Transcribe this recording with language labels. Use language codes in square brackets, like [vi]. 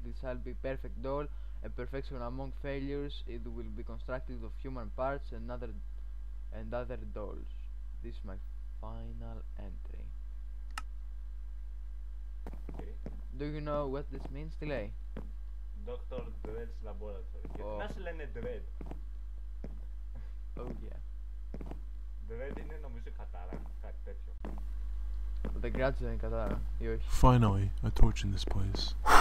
[en] This shall be perfect doll, a perfection among failures. It will be constructed of human parts and other dolls. This is my final entry. Okay. Do you know what this means, Tilly? Dr. Dredd's laboratory. [el] Oh. Να σε λένε Dredd. [en] Oh yeah. [el] Dredd είναι νομίζω κατάρα, κάτι τέτοιο. Δεν κράτησε την κατάρα, ή όχι. [en] Finally, a torch in this place.